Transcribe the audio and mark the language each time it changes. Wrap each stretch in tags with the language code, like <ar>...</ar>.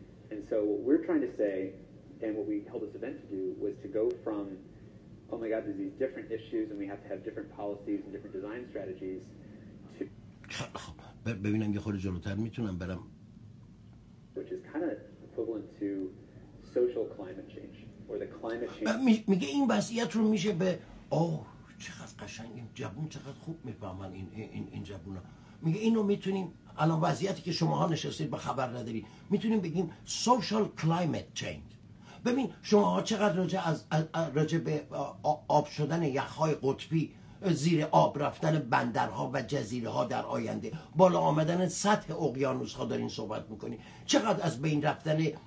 <en>And so what we're trying to say, and what we held this event to do, was to go from, oh my God, there's these different issues, and we have to have different policies and different design strategies, to...</en> <fa>ببینم یه خورده جلوتر میتونم برم.</fa> <en>Which is kind of equivalent to social climate change, or the climate change...</en> <fa>میگه این وضعیت رو میشه به... اوه، چقدر قشنگ این جبون، چقدر خوب میفهمن این جبون ها. میگه اینو میتونیم... الان وضعیتی که شماها نشستید با خبر نداری، میتونیم بگیم</fa> <en>social climate change.</en> <fa>ببین شماها چقدر راجع به آب شدن یخهای قطبی، زیر آب رفتن بندرها و جزیره ها در آینده، بالا آمدن سطح اقیانوس ها دارین صحبت میکنی، چقدر از بین رفتن</fa>